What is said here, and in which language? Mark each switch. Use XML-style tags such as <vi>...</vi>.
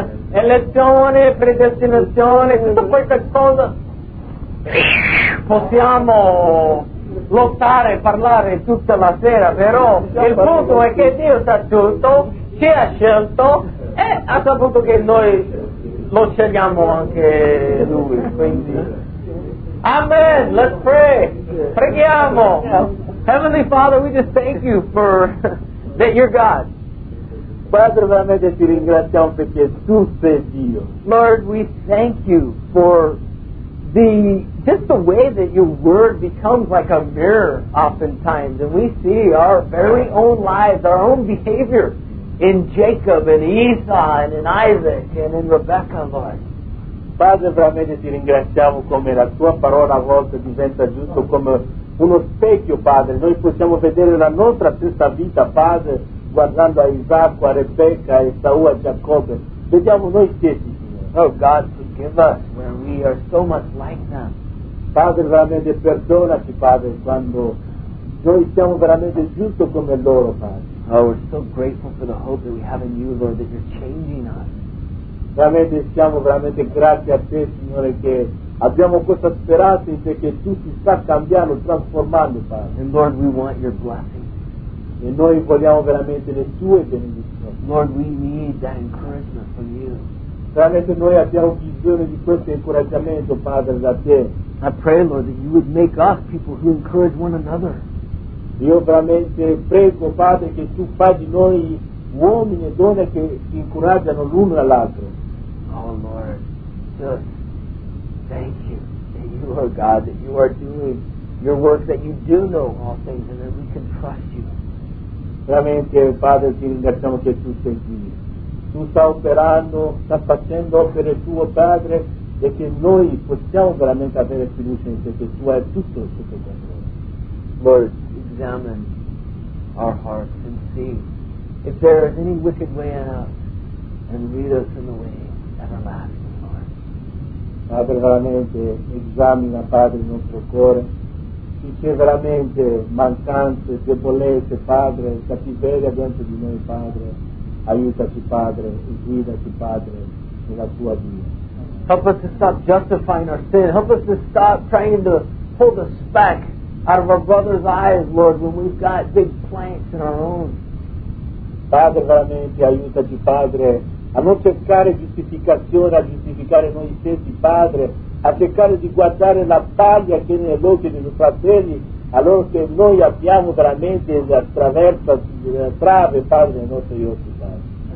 <it>Elezione, predestinazione, tutta questa cosa possiamo lottare, parlare tutta la sera, però il punto è che Dio sa tutto, ci ha scelto e ha saputo che noi lo scegliamo anche lui, quindi amen,</it> <en>let's pray,</en> <it>preghiamo.</it> <en>Heavenly Father, we just thank you for that you're God.</en> <it>Padre, veramente ti ringraziamo perché tu sei Dio.</it> <en>Lord, we thank you for the just the way that your word becomes like a mirror oftentimes, and we see our very own lives, our own behavior in Jacob and Esau and in Isaac and in Rebecca, Lord.</en> <it>Padre, veramente ti ringraziamo come la tua parola a volte diventa giusto come uno specchio, Padre. Noi possiamo vedere la nostra stessa vita, Padre, guardando a Isacco, a Rebecca, a Esau, a Giacobbe. Vediamo noi stessi, Signore.</it> <en>Oh, God, forgive us when we are so much like them.</en> <it>Padre, veramente perdonaci, Padre, quando noi siamo veramente giusto come loro, Padre.</it> <en>Oh, we're so grateful for the hope that we have in you, Lord, that you're changing us.</en> <it>Veramente siamo veramente grati a te, Signore, che abbiamo questa speranza in te che tu ti sta cambiando, trasformando, Padre.</it> <en>And Lord, we want your blessing.</en> <it>E noi vogliamo veramente le tue benedizioni.</it> <en>Lord, we need that encouragement from you.</en> <it>Veramente noi abbiamo bisogno di questo incoraggiamento, Padre, da te.</it> <en>I pray, Lord, that you would make us people who encourage one another.</en> <it>Io veramente prego, Padre, che tu fai di noi uomini e donne che si incoraggiano l'uno all'altro.</it> <en>Oh Lord, just thank you that you are God, that you are doing your work, that you do know all things and that we can trust you.</en> <it>Veramente, Padre, ti ringraziamo che tu sei Dio. Tu sta operando, sta facendo opere tuo, Padre, e che noi possiamo veramente avere fiducia in te, che tu hai tutto sotto controllo.</it> <en>Lord, examine our hearts and see if there is any wicked way in us, and lead us in the way everlasting, Lord.</en> <it>Padre, veramente, examina, Padre, il nostro cuore. Se c'è veramente mancanze, debolezze, Padre, cattiveria dentro di noi, Padre, aiutaci, Padre, e guidaci, Padre, nella tua via.</it> <en>Help us to stop justifying our sin. Help us to stop trying to pull the speck out of our brother's eyes, Lord, when we've got big planks in our own.</en> <it>Padre, veramente, aiutaci, Padre, a non cercare giustificazione, a giustificare noi stessi, Padre, a cercare di guardare la paglia che è nell'occhio dei fratelli, allora che noi abbiamo veramente attraverso la trave, Padre, nei nostri occhi, Padre.</it>